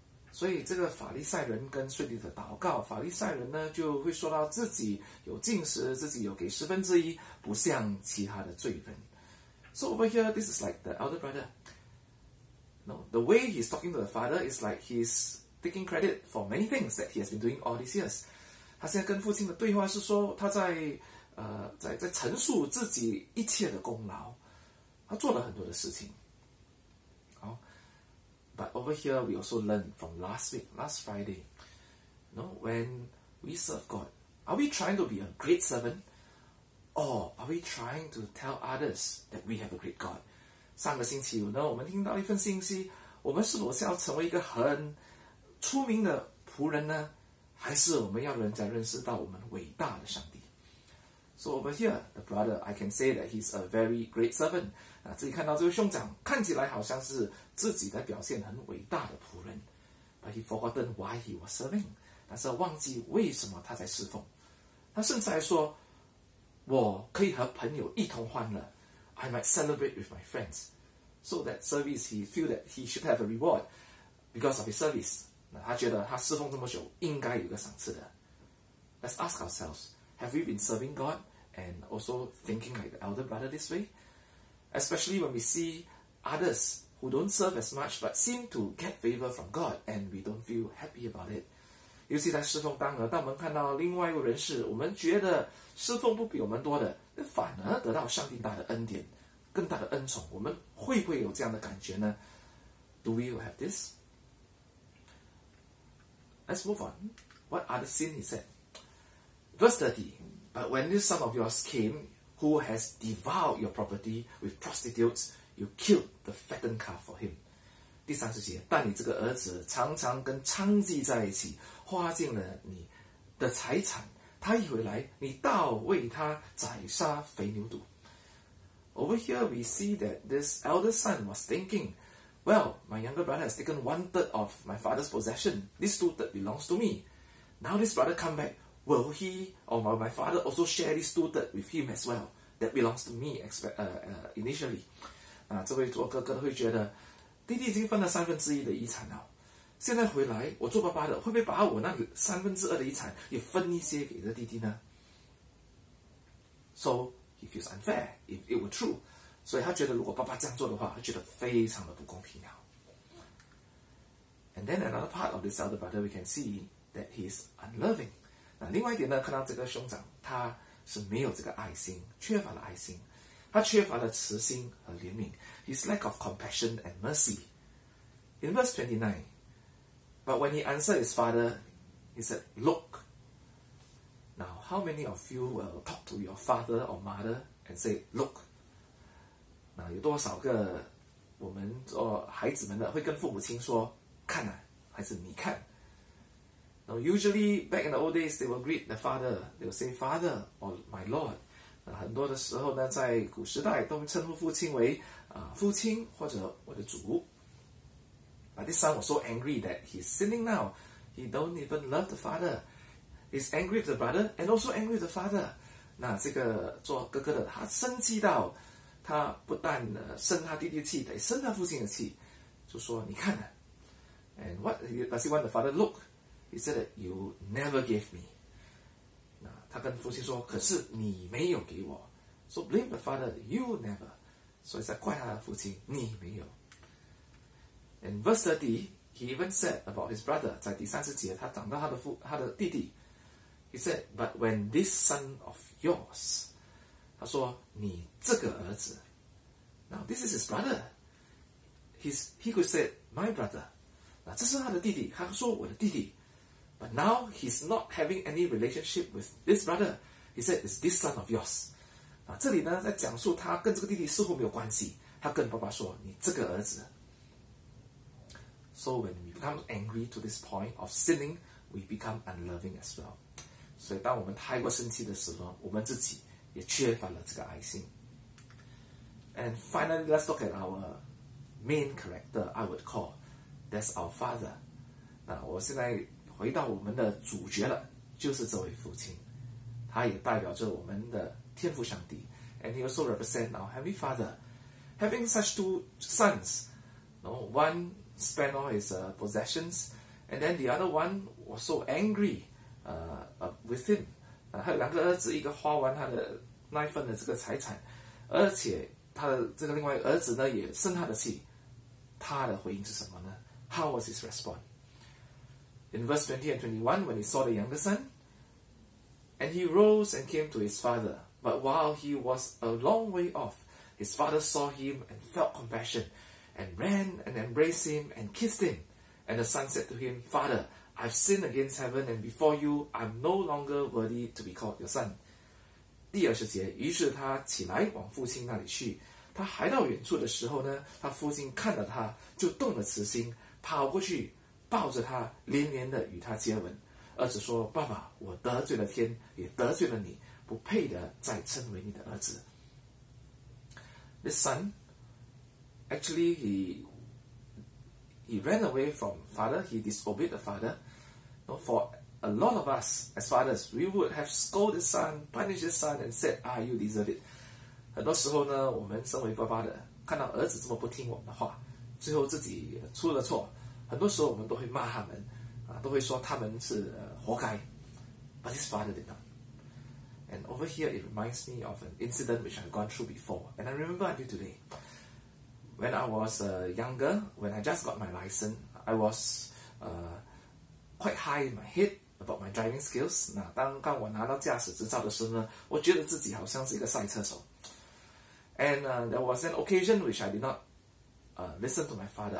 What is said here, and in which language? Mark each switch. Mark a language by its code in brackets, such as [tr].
[zh] 所以这个法利赛人跟税吏的祷告，法利赛人呢就会说到自己有禁食，自己有给十分之一，不像其他的罪人。 [en] So over here, this is like the elder brother. No, the way he's talking to the father is like he's taking credit for many things that he has been doing all these years. [zh] 他现在跟父亲的对话是说他在陈述自己一切的功劳，他做了很多的事情。 [en] 好， but over here, we also learn from last week, last Friday. No, when we serve God, are we trying to be a great servant?Or are we trying to tell others that we have a great God? [zh] 上个星期五呢，我们听到一份信息，我们是否是要成为一个很出名的仆人呢？还是我们要人家认识到我们伟大的上帝？ [en] So over here, the brother, I can say that he's a very great servant. [zh] 那自己看到这位兄长，看起来好像是自己的表现很伟大的仆人。 [en] But he forgotten why he was serving. [zh] 但是忘记为什么他在侍奉。他甚至还说，我可以和朋友一同欢乐。 [en] I might celebrate with my friends. So that service, he feel that he should have a reward because of his service. [zh] 那他觉得他侍奉这么久应该有一个赏赐的。 [en] Let's ask ourselves, have we been serving God and also thinking like the elder brother this way? Especially when we see others who don't serve as much but seem to get favor from God and we don't feel happy about it. [zh] 尤其在侍奉当额，当我们看到另外一个人士，我们觉得侍奉不比我们多的，反而得到上帝大的恩典，更大的恩宠，我们会不会有这样的感觉呢？ [en] Do we have this? Let's move on. What are the sin he said? Verse 30. But when this son of yours came, who has devoured your property with prostitutes, you killed the fattened calf for him. [zh] 第三十节，但你这个儿子常常跟娼妓在一起，花尽了你的财产。他一回来，你倒为他宰杀肥牛犊。 [en] Over here, we see that this elder son was thinking, well, my younger brother has taken 1/3 of my father's possession. This 2/3 belongs to me. Now this brother come back, will he or my father also share this 2/3 with him as well? That belongs to me initially. [zh] 那这位做哥哥的会觉得，弟弟已经分了三分之一的遗产了。现在回来，我做爸爸的会不会把我那三分之二的遗产也分一些给这弟弟呢？ [en] So he feels unfair if it were true. [zh] 所以他觉得如果爸爸这样做的话，他觉得非常的不公平了。 [en] And then another part of this elder brother, we can see that he's unloving. [zh] 那另外一点呢，看到这个兄长，他是没有这个爱心，缺乏了爱心，他缺乏了慈心和怜悯。 [en] His lack of compassion and mercy. In verse 29. But when he answered his father, he said, Look. Now, how many of you will talk to your father or mother and say, Look? [zh] 那有多少个我们做孩子们的会跟父母亲说，看啊，还是你看。 [en] Now, usually, back in the old days, they will greet the father. They will say, Father or my Lord. [zh] 那很多的时候呢，在古时代都称呼父亲为父亲或者我的主。 [en] But this son was so angry that he's sinning now. He don't even love the father. He's angry with the brother and also angry with the father. [zh] 那这个做哥哥的他生气到他不但生他弟弟气，得生他父亲的气，就说你看啊。 [en] And what does he want the father look? He said that you never gave me. [zh] 那他跟父亲说，可是你没有给我。 [en] So blame the father, you never. [zh] 所以在怪他的父亲，你没有。 [en] In verse 30, he even said about his brother, [zh] 在第三十节他讲到他的弟弟。 [en] He said, but when this son of yours, [zh] 他说你这个儿子。 [en] Now this is his brother. He could say, my brother. [zh] 那这是他的弟弟，他说我的弟弟。 [en] But now he's not having any relationship with this brother. He said, it's this son of yours. [zh] 那这里呢，在讲述他跟这个弟弟似乎没有关系。他跟爸爸说，你这个儿子。 [en] So when we become angry to this point of sinning, we become unloving as well. [zh] 所以当我们太过生气的时候，我们自己也缺乏了这个爱心。 [en] And finally, let's look at our main character, I would call. That's our father. [zh] 那我现在回到我们的主角了，就是这位父亲。他也代表着我们的天父上帝。 [en] And he also represents our heavenly father. Having such two sons, no, one... spend all his possessions, and then the other one was so angry with him. [zh] 还有两个儿子，一个花完他的那一份的这个财产，而且他的这个另外一个儿子呢也生他的气。他的回应是什么呢？ [en] How was his response? In verse 20 and 21, when he saw the younger son, and he rose and came to his father, but while he was a long way off, his father saw him and felt compassion. And ran and embraced him and kissed him. And the son said to him, Father, I've sinned against heaven and before you, I'm no longer worthy to be called your son. [zh] 第二十节，于是他起来往父亲那里去。他还到远处的时候呢，他父亲看到他就动了慈心，跑过去抱着他，连连的与他接吻。儿子说：爸爸，我得罪了天，也得罪了你，不配的再称为你的儿子。 [en] The son actually he ran away from father, he disobeyed the father. No, for a lot of us as fathers, we would have scolded the son, punished the son and said, ah, you deserve it. [zh] 很多时候呢，我们身为爸爸的看到儿子这么不听我们的话，最后自己出了错，很多时候我们都会骂他们，都会说他们是活该。 [en] But his father did not. And over here it reminds me of an incident which I've gone through before, and I remember until today. When I was younger, when I just got my license, I was quite high in my head about my driving skills. [zh] 那当刚我拿到驾驶执照的时候呢，我觉得自己好像是一个赛车手。 [en] And there was an occasion which I did not listen to my father.